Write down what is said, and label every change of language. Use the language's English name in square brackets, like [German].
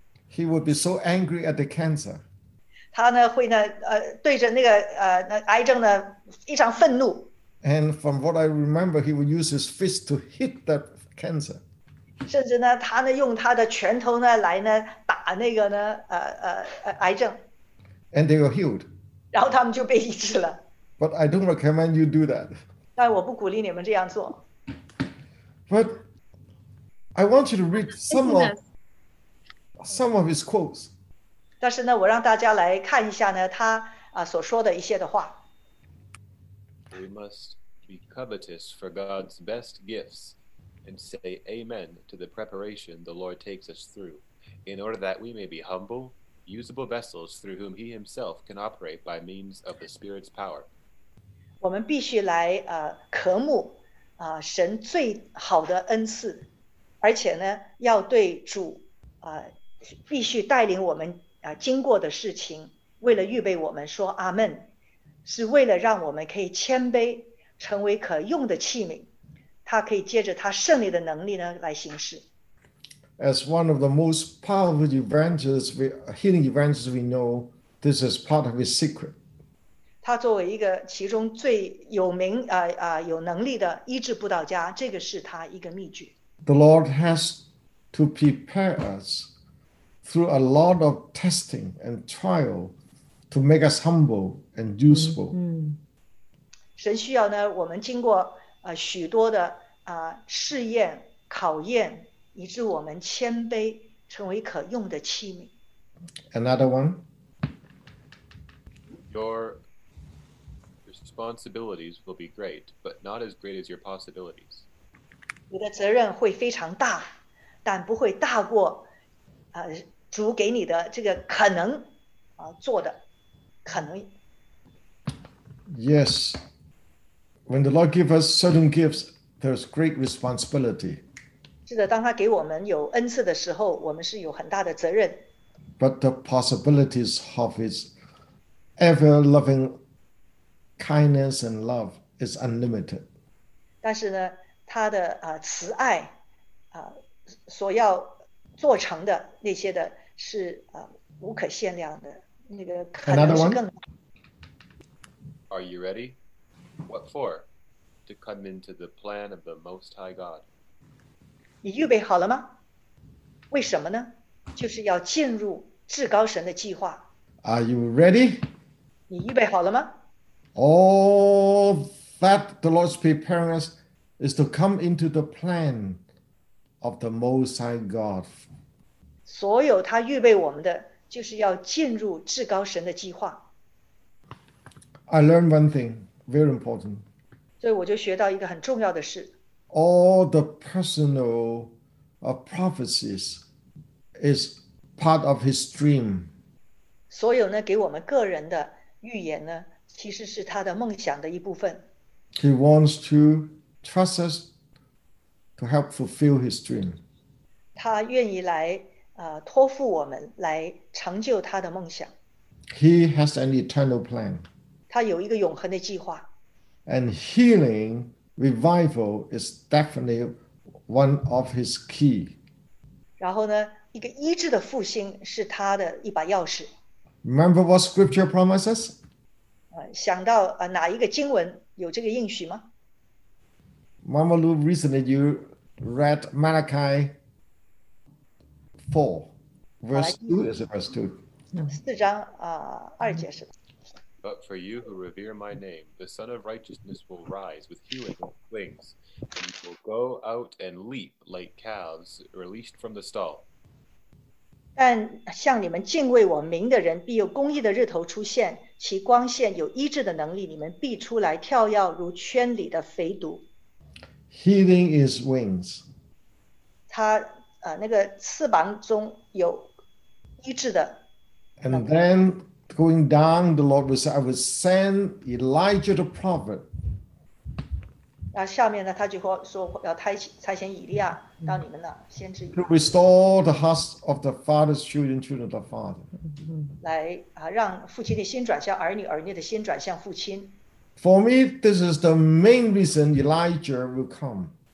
[English] He would be so angry at the cancer. [Chinese] 他呢会呢对着那个那癌症呢非常愤怒。 [English] And from what I remember, he would use his fist to hit that cancer. [Chinese] 甚至呢，他呢用他的拳头呢来呢打那个呢癌症。 [English] And they were healed. [Chinese] 然后他们就被医治了。 [English] But I don't recommend you do that. [Chinese] 但我不鼓励你们这样做。 [English] But I want you to read some of his quotes. [Chinese] 但是呢，我让大家来看一下呢，他所说的一些的话。 [English] We must be covetous for God's best gifts, and say Amen to the preparation the Lord takes us through, in order that we may be humble, usable vessels through whom He Himself can operate by means of the Spirit's power. [Chinese] 我们必须来渴慕神最好的恩赐，而且呢，要对主必须带领我们。经过的事情为了预备我们说阿们是为了让我们可以谦卑成为可用的器皿他可以借着他圣灵的能力呢来行事 [English] As one of the most powerful evangelists, healing evangelists we know this is part of his secret [Chinese] 他作为一个其中最有名有能力的医治布道家这个是他一个秘诀 [English] The Lord has to prepare us through a lot of testing and trial to make us humble and useful. Mm-hmm. [Chinese] 神需要呢，我们经过许多的试验、考验，以致我们谦卑，成为可用的器皿。 [English] Another one. Your responsibilities will be great, but not as great as your possibilities. [Chinese] 你的责任会非常大，但不会大过主给你的这个可能做的可能。 [English] Yes. When the Lord gives us certain gifts, there's great responsibility. [Chinese] 是的，当他给我们有恩赐的时候，我们是有很大的责任。 [English] But the possibilities of His ever-loving kindness and love is unlimited. [Chinese] 但是呢，他的慈爱所要做成的那些的是无可限量的，那个可能是更大。 [English] Another one? Are you ready? What for? To come into the plan of the Most High God. [Chinese] 你预备好了吗？为什么呢？就是要进入至高神的计划。 [English] Are you ready? [Chinese] 你预备好了吗？ [English] All that the Lord's preparing us is to come into the plan of the Most High God. [Chinese] 所有他预备我们的，就是要进入至高神的计划。 [English] I learned one thing. Very important. [Chinese] 所以我就学到一个很重要的事。 [English] All the personal prophecies is part of his dream. [Chinese] 所有呢给我们个人的预言呢，其实是他的梦想的一部分。 [English] He wants to trust us to help fulfill his dream. [Chinese] 他愿意来托付我们来成就他的梦想。 [English] He has an eternal plan. [Chinese] 他有一个永恒的计划。 [English] And healing, revival is definitely one of his key. [Chinese] 然后呢，一个医治的复兴是他的一把钥匙。 [English] Remember what scripture promises? [Chinese] 想到哪一个经文有这个应许吗？ [English] Mama Lou, recently you read Malachi 4, verse 2, is it verse 2? [Chinese] 四章二节是。 [English] But for you who revere my name, the Son of Righteousness will rise with healing wings. You will go out and leap like calves released from the stall. [Chinese] 但像你们敬畏我名的人，必有公义的日头出现，其光线有医治的能力，你们必出来跳跃如圈里的肥犊。 [English] Healing is wings. [Chinese] 他那个翅膀中有医治的。 [English] And then. Going down, the Lord will say, I will send Elijah the prophet. [Chinese] 那下面呢，他就会说要差遣以利亚到你们那先知。 [English] To restore the hearts of the father's children, children of the father. [Chinese] 来让父亲的心转向儿女，儿女的心转向父亲。 [English] For me, this is the main reason Elijah will come.